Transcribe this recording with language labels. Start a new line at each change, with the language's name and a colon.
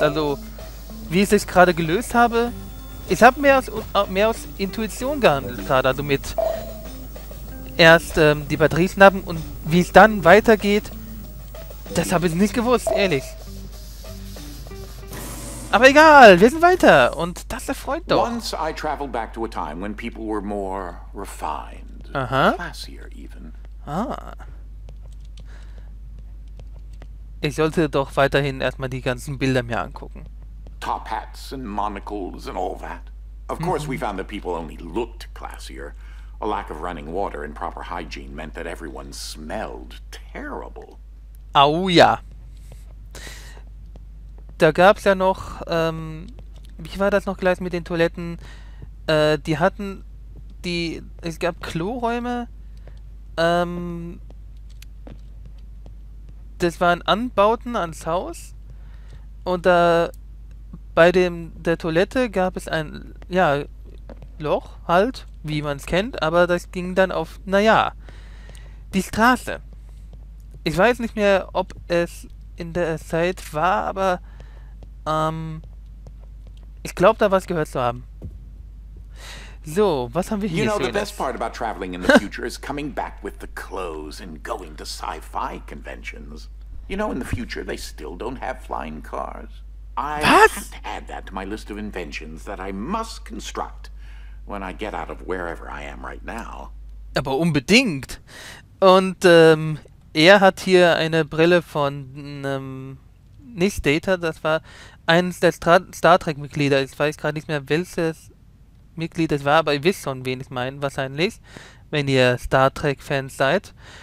German: Also, wie ich es gerade gelöst habe... Ich habe mehr aus Intuition gehandelt gerade, also mit erst die Batterie schnappen und wie es dann weitergeht, das habe ich nicht gewusst, ehrlich. Aber egal, wir sind weiter und das erfreut doch.
English: Once I traveled back to a time when people were more refined, classier even. Ah.
German: Ich sollte doch weiterhin erstmal die ganzen Bilder mir angucken.
English: Top hats and monocles and all that. Of course, we found that people only looked classier. A lack of running water and proper hygiene meant that everyone smelled terrible.
German: Au ja. Da gab's ja noch, wie war das noch gleich mit den Toiletten? Die hatten, die, es gab Kloräume, das waren Anbauten ans Haus und da bei dem der Toilette gab es ein ja Loch halt, wie man es kennt, aber das ging dann auf naja die Straße. Ich weiß nicht mehr, ob es in der Zeit war, aber ich glaube, da was gehört zu haben. So, was haben wir hier?
English: You know,
German: schönes?
English: The best part about traveling in the future is coming back with the clothes and going to sci-fi conventions. You know, in the future they still don't have flying cars. I haven't added that to my list of inventions that I must construct when I get out of wherever I am right now.
German: Aber unbedingt. Und er hat hier eine Brille von nicht Data, das war eines der Star Trek Mitglieder. Ich weiß gerade nicht mehr, welches Mitglied es war, aber ihr wisst schon, wen ich meine, wahrscheinlich, wenn ihr Star Trek Fans seid.